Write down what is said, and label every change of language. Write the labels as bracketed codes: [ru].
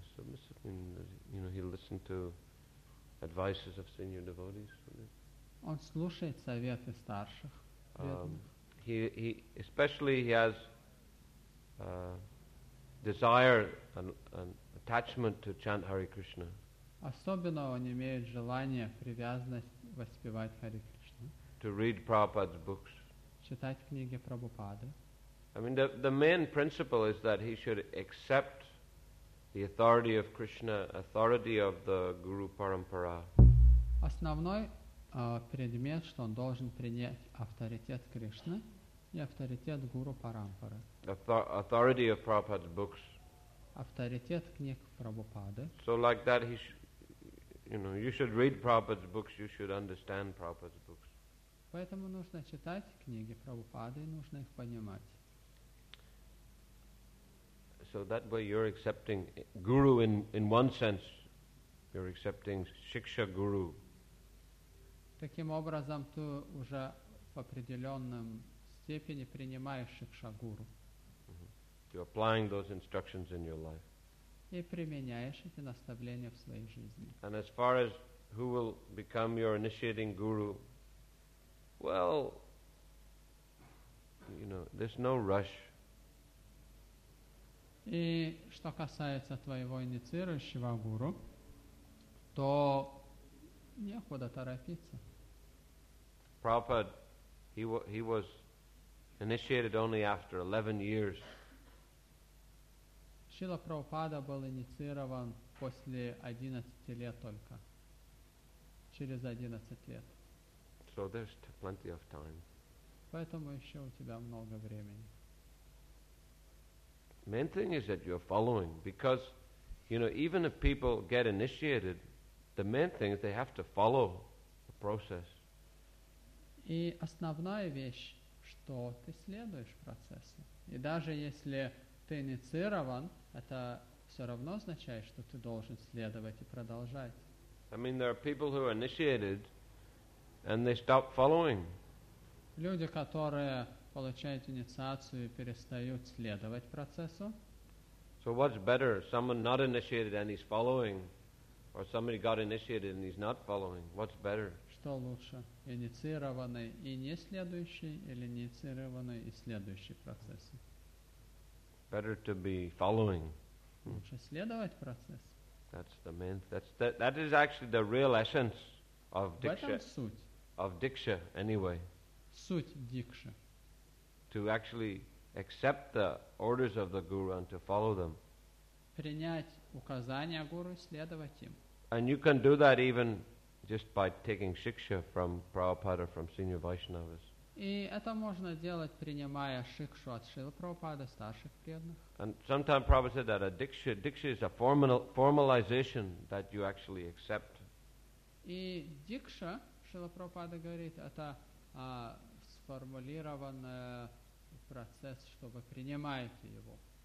[en] Submissive means, you know, he listened to advices of senior devotees. [ru] Он слушает советы старших. [en] He especially he has desire and attachment to chant Hare Krishna. [ru] Особенно он имеет желание, привязанность воспевать Hare Krishna. [en] To read Prabhupada's books. [ru] Читать книги Прабхупады. [en] I mean, the main principle is that he should accept the authority of Krishna, authority of the Guru Parampara. [ru] Основной предмет, что он должен принять авторитет Кришны и авторитет Гуру Парампары. [en] Authority of Prabhupada's books. [ru] Авторитет книг Прабхупады. [en] So like that, he, you know, you should read Prabhupada's books, you should understand Prabhupada's books. [ru] Поэтому нужно читать книги Прабхупады и нужно их понимать. [en] So that way you're accepting guru in one sense, you're accepting shiksha guru. [ru] Таким образом, ты уже в определенном степени принимаешь шикша гуру. [en] You're applying those instructions in your life. [ru] И применяешь эти наставления в своей жизни. [en] And as far as who will become your initiating guru, well, you know, there's no rush. [ru] И что касается твоего инициирующего гуру, то некуда торопиться. [en] Prabhupada, he was initiated only after 11 years. [ru] Шрила Прабхупада был инициирован после 11 лет только. Через 11 лет. [en] So there's plenty of time. [ru] Поэтому еще у тебя много времени. [en] Main thing is that you're following, because, you know, even if people get initiated, the main thing is they have to follow the process. [ru] И основная вещь, что ты следуешь процессу. И даже если ты инициирован, это все равно означает, что ты должен следовать и продолжать. [en] I mean, there are people who are initiated. And they stop following. [ru] Люди, которые получают инициацию, перестают следовать процессу. [en] So what's better, someone not initiated and he's following, or somebody got initiated and he's not following? What's better? [ru] Что лучше, инициированный и не следующий, или инициированный и следующий процесс? [en] Better to be following. [ru] Лучше следовать процессу. [en] That's the main. That is actually the real essence of diksha. [ru] В этом суть. [en] Of diksha, anyway. [ru] Суть дикши. [en] To actually accept the orders of the guru and to follow them. [ru] Принять указания гуру, следовать им. [en] And you can do that even just by taking shiksha from Prabhupada, from senior Vaishnavas. [ru] И это можно делать, принимая шикшу от Шрилы Прабхупады, старших преданных. [en] And sometimes Prabhupada said that a diksha is a formalization that you actually accept. [ru] И дикша, Шрила Прабхупада говорит, это сформулированный процесс, что вы принимаете его.